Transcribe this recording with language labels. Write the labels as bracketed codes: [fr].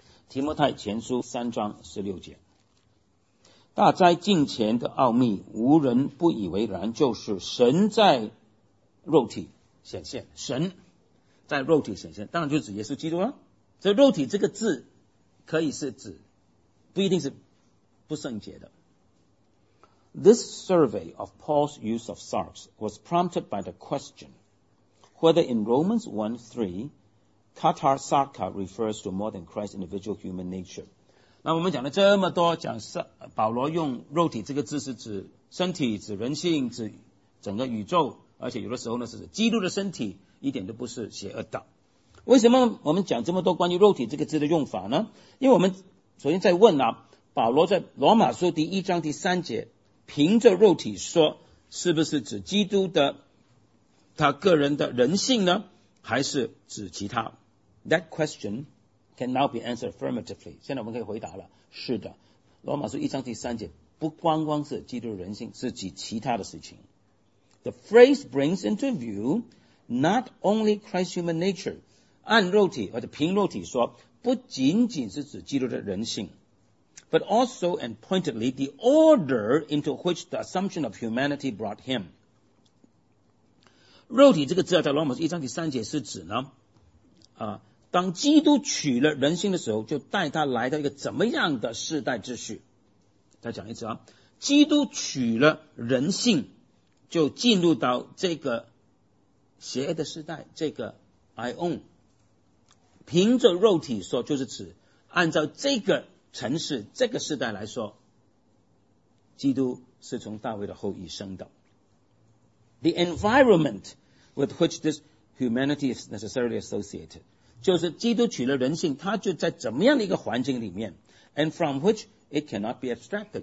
[zh] 提摩太前书三章十六节大灾近前的奥秘无人不以为然就是神在肉体显现神在肉体显现当然就是指耶稣基督了所以肉体这个字可以是指不一定是不圣洁的 [en] This survey of Paul's use of sarks was prompted by the question Whether in Romans 1:3, katarsarka refers to more than Christ's individual human nature. [zh] 那我们讲了这么多，讲保罗用肉体这个字是指身体、指人性、指整个宇宙，而且有的时候呢是指基督的身体，一点都不是邪恶的。为什么我们讲这么多关于肉体这个字的用法呢？因为我们首先在问啊，保罗在罗马书第一章第三节凭着肉体说，是不是指基督的他个人的人性呢，还是指其他？ [en] That question can now be answered affirmatively. [zh] 现在我们可以回答了，是的，罗马书一章第三节不光光是基督的人性，是指其他的事情。 [en] The phrase brings into view not only Christ's human nature. [zh] 按肉体或者凭肉体说，不仅仅是指基督的人性， [en] But also and pointedly the order into which the assumption of humanity brought him. [zh] 肉体这个字在罗马书一章第三节是指呢、当基督取了人性的时候，就带他来到一个怎么样的世代秩序。再讲一次啊，基督取了人性，就进入到这个邪恶的世代，这个 Ion。凭着肉体说，就是指按照这个城市这个时代来说，基督是从大卫的后裔生的。 [en] The environment with which this humanity is necessarily associated, [zh] 就是基督取了人性，他就在怎么样的一个环境里面， [en] and from which it cannot be abstracted,